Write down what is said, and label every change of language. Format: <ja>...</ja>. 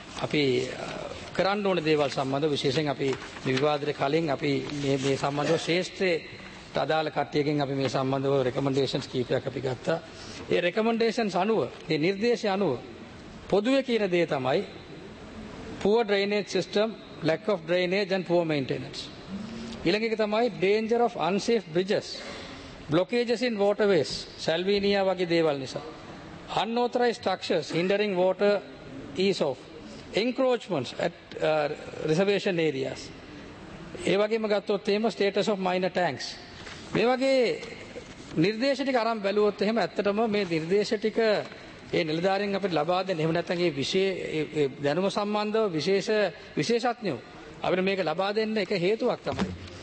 <si>අපි කරන්න ඕන දේවල් සම්බන්ධ විශේෂයෙන් අපි විවාදයට කලින් අපි මේ සම්බන්ධව ශේෂ්ත්‍රයේ අදාළ කට්ටියකින් අපි මේ සම්බන්ධව රෙකමෙන්ඩේෂන්ස් කීපයක් අපි ගත්තා. ඒ රෙකමෙන්ඩේෂන්ස් අනුව, මේ නිර්දේශය අනුව පොදුවේ කියන දේ තමයි</si> <en>poor drainage system, lack of drainage and poor maintenance.</en> <si>ඊළඟ එක තමයි</si> <en>danger of unsafe bridges, blockages in waterways,</en> <si>salvinia වගේ දේවල් නිසා.</si> <en>Unauthorized structures hindering water ease off. Encroachments at reservation areas.</en> <si>ඒ වගේම ගත්තොත් එහෙම</si> <en>status of minor tanks.</en> <si>මේ වගේ නිර්දේශ ටික අරන් බැලුවොත් එහෙම ඇත්තටම මේ නිර්දේශ ටික ඒ නිලධාරීන් අපිට ලබා දෙන්නේ, එහෙම නැත්නම් ඒ දැනුම සම්බන්ධව විශේෂඥයෝ අපිට මේක ලබා දෙන්න එක හේතුවක් තමයි.</si>